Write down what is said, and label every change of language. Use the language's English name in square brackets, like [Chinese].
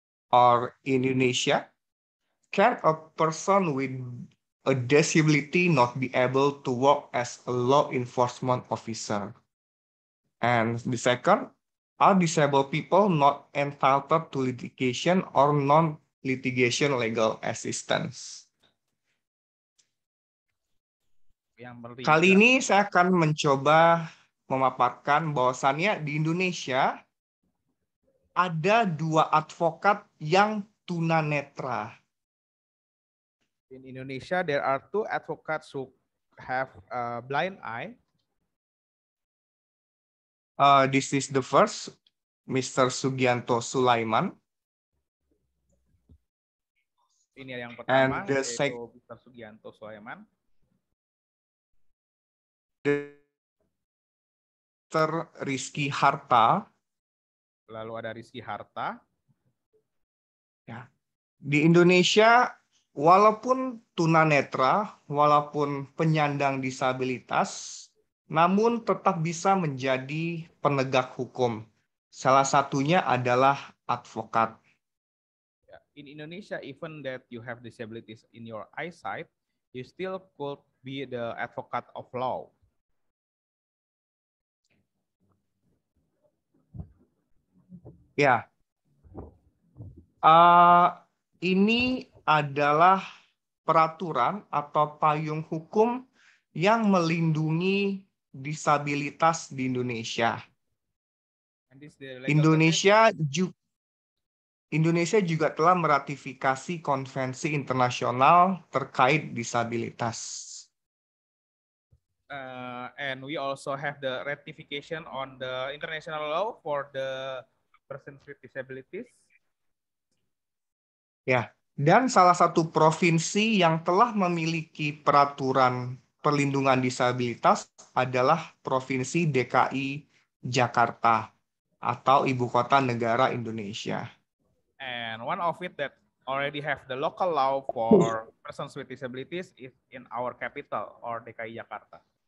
[English] Or in Indonesia, can a person with a disability not be able to work as a law enforcement officer? And the second, are disabled people not entitled to litigation or non litigation legal assistance. [Indonesian] Yang kali ini saya akan mencoba memaparkan bahwasannya di Indonesia ada dua advokat yang tunanetra. [English] In Indonesia there are two advocates who have a blind eye. This is the first, Mr. Sugianto Sulaiman. [Indonesian] Ini yang pertama, [English] and the [Indonesian] yaitu Mr. Sugianto Sulaiman. [English] The Dr. Rizky Harta. [Indonesian] Lalu ada Rizky Harta. Ya. Di Indonesia, walaupun tunanetra, walaupun penyandang disabilitas, namun tetap bisa menjadi penegak hukum. Salah satunya adalah advokat. [English] In Indonesia, even that you have disabilities in your eyesight, you still could be the advocate of law. [Indonesian] Ya. Ini adalah peraturan atau payung hukum yang melindungi disabilitas di Indonesia. Indonesia juga telah meratifikasi konvensi internasional terkait disabilitas. [English] And we also have the ratification on the international law for the persons with disabilities. [Indonesian] Ya, dan salah satu provinsi yang telah memiliki peraturan perlindungan disabilitas adalah Provinsi DKI Jakarta atau Ibu Kota Negara Indonesia. [English] And one of it that already have the local law for persons with disabilities is in our capital or DKI Jakarta.